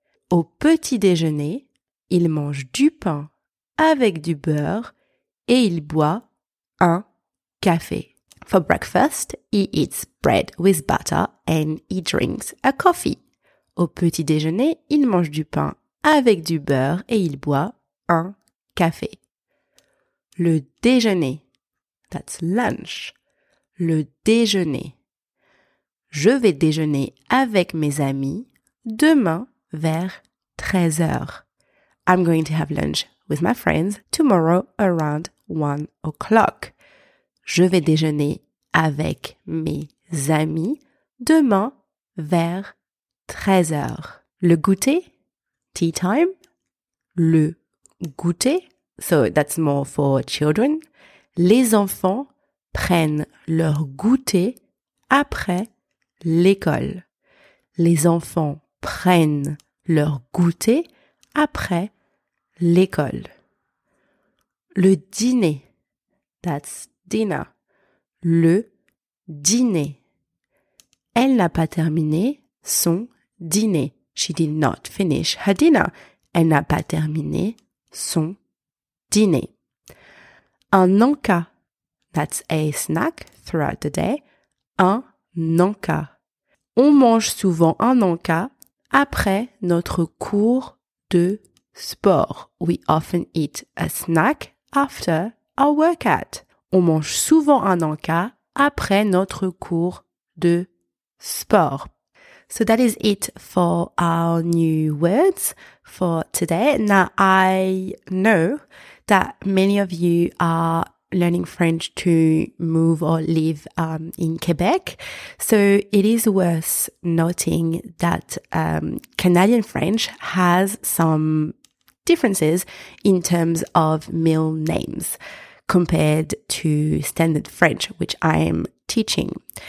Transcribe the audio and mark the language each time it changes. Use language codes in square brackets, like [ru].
[fr] Au petit déjeuner, il mange du pain avec du beurre et il boit un café. [en] For breakfast, he eats bread with butter and he drinks a coffee. [fr] Au petit déjeuner, il mange du pain avec du beurre et il boit un café. Le déjeuner, [en] that's lunch, [fr] le déjeuner. Je vais déjeuner avec mes amis demain vers 13h. [en] I'm going to have lunch with my friends tomorrow around 1 o'clock. [fr] Je vais déjeuner avec mes amis demain vers 13h. Le goûter, [en] tea time, [fr] le goûter. [en] So that's more for children. [fr] Les enfants prennent leur goûter après l'école. Les enfants prennent leur goûter après l'école. Le dîner. [en] That's dinner. [fr] Le dîner. Elle n'a pas terminé son dîner. [en] She did not finish her dinner. [fr] Elle n'a pas terminé son dîner. [en] Un encas, that's a snack throughout the day. [fr] Un encas. On mange souvent un encas après notre cours de sport. [en] We often eat a snack after our workout. [fr] On mange souvent un encas après notre cours de sport. [en] So that is it for our new words for today. Now I know that many of you are learning French to move or live in Quebec. So it is worth noting that Canadian French has some differences in terms of meal names compared to standard French, which I am teaching.